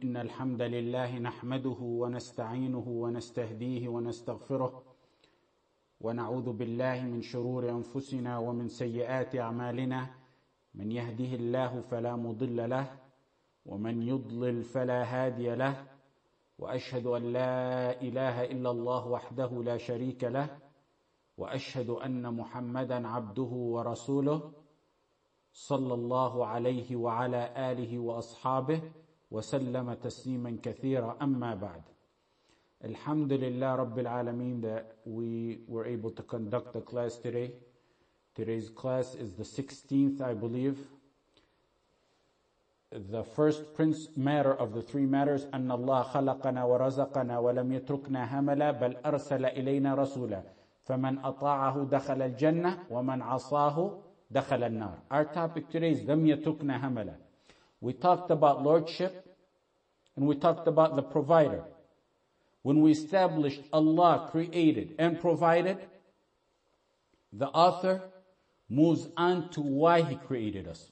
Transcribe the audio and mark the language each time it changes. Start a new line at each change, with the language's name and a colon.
Arabic: إن الحمد لله نحمده ونستعينه ونستهديه ونستغفره ونعوذ بالله من شرور أنفسنا ومن سيئات أعمالنا، من يهده الله فلا مضل له ومن يضلل فلا هادي له، وأشهد أن لا إله إلا الله وحده لا شريك له، وأشهد أن محمدا عبده ورسوله صلى الله عليه وعلى آله وأصحابه وسلم تسليما كثيرا. أما بعد،
English: Alhamdulillah Rabbil Alameen that we were able to conduct the class today. Today's class is the 16th, I believe. The first matter of the three matters,
Arabic: أن الله خلقنا ورزقنا ولم يتركنا هملا بل أرسل إلينا رسولا فمن أطاعه دخل الجنة ومن عصاه دخل النار.
English: Our topic today is
Arabic: لم يتركنا هملا.
English: We talked about lordship and we talked about the provider. When we established Allah created and provided, the author moves on to why He created us.